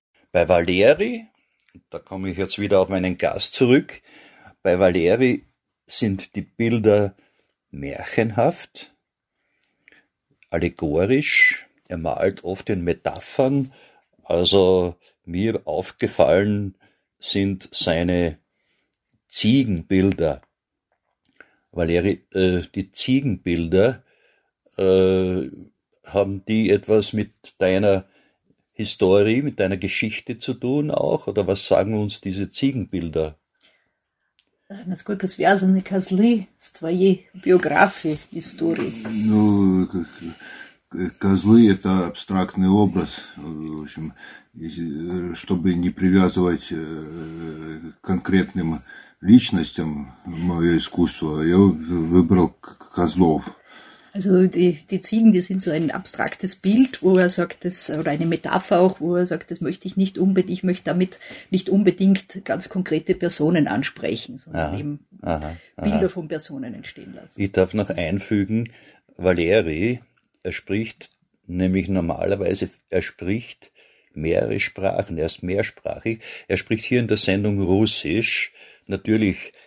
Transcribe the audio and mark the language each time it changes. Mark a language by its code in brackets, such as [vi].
[de] Bei Valeri, da komme ich jetzt wieder auf meinen Gast zurück, bei Valeri sind die Bilder märchenhaft, allegorisch, er malt oft in Metaphern, also mir aufgefallen sind seine Ziegenbilder. Valeri, die Ziegenbilder, haben die etwas mit deiner Historie, mit deiner Geschichte zu tun auch? Oder was sagen uns diese Ziegenbilder? [ru] Насколько связаны козлы с твоей биографией, историей? Ну, козлы – это абстрактный образ. В общем, чтобы не привязывать к конкретным личностям мое искусство, я выбрал козлов. [de] Also die Ziegen, die sind so ein abstraktes Bild, wo er sagt, das, oder eine Metapher auch, wo er sagt, das möchte ich nicht unbedingt, ich möchte damit nicht unbedingt ganz konkrete Personen ansprechen, sondern Bilder von Personen entstehen lassen. Ich darf noch einfügen, Valeri, er spricht nämlich normalerweise, er spricht mehrere Sprachen, er ist mehrsprachig, er spricht hier in der Sendung Russisch, natürlich.